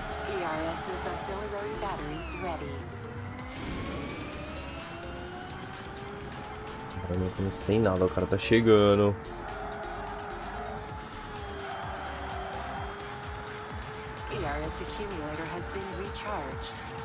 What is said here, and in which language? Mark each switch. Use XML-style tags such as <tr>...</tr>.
<en>ERS's auxiliary batteries ready.</en> <pt>Cara, não tô sem nada, o cara tá chegando.</pt> <en>ERS accumulator has been recharged.</en>